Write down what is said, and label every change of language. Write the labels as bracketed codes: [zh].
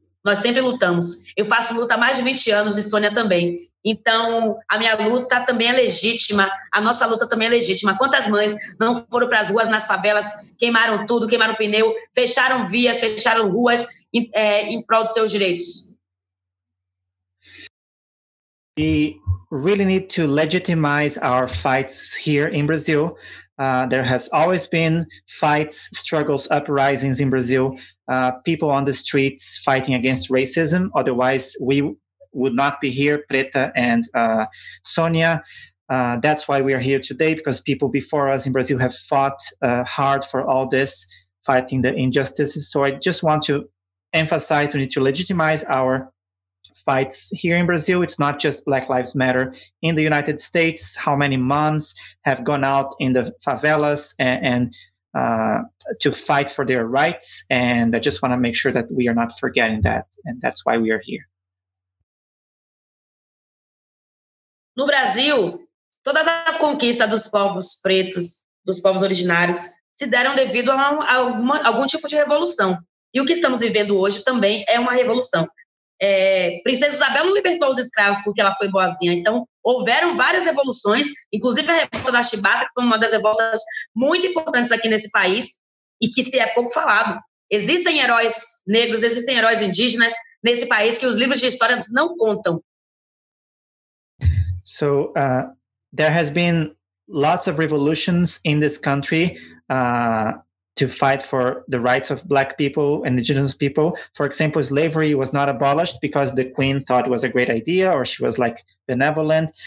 [pt] Nós sempre lutamos. Eu faço luta há mais de 20 anos e Sônia também. Então, a minha luta também é legítima, a nossa luta também é legítima. Quantas mães não foram para as ruas, nas favelas, queimaram tudo, queimaram pneu, fecharam vias, fecharam ruas em prol dos seus direitos? [en] We really need to legitimize our fights here in Brazil. There has always been fights, struggles, uprisings in Brazil, people on the streets fighting against racism. Otherwise, we would not be here, Preta and Sonia. That's why we are here today, because people before us in Brazil have fought hard for all this, fighting the injustices. So I just want to emphasize we need to legitimize our fights here in Brazil. It's not just Black Lives Matter. In the United States, how many moms have gone out in the favelas and to fight for their rights? And I just want to make sure that we are not forgetting that. And that's why we are here. [pt] No Brasil, todas as conquistas dos povos pretos, dos povos originários, se deram devido a algum tipo de revolução. E o que estamos vivendo hoje também é uma revolução. Princesa Isabel não libertou os escravos porque ela foi boazinha. Então, houveram várias revoluções, inclusive a Revolta da Chibata, que foi uma das revoltas muito importantes aqui nesse país e que se é pouco falado. Existem heróis negros, existem heróis indígenas nesse país que os livros de história não contam. [en] So, there has been lots of revolutions in this country to fight for the rights of Black people and indigenous people. For example, slavery was not abolished because the queen thought it was a great idea or she was like benevolent.